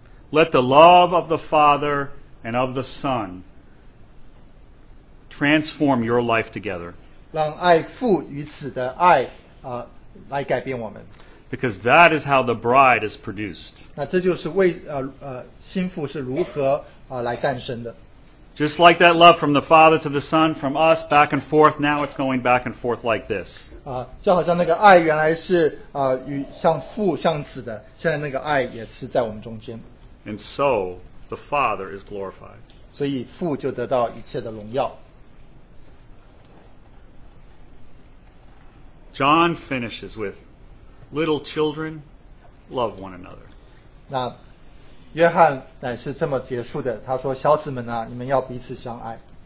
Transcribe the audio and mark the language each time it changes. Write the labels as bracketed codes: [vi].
[en] Let the love of the Father and of the Son transform your life together. [zh] 让爱父与子的爱, 来改变我们。 [en] Because that is how the bride is produced. [zh] 那这就是为, 新妇是如何, 来诞生的。 [en] Just like that love from the Father to the Son, from us back and forth, now it's going back and forth like this. [zh] 就好像那个爱原来是, 与像父像子的, 现在那个爱也是在我们中间。 [en] And so the Father is glorified. [zh] 所以父就得到一切的荣耀。 [en] John finishes with, little children, love one another. [zh] 那约翰乃是这么结束的, 他说小子们啊, 你们要彼此相爱。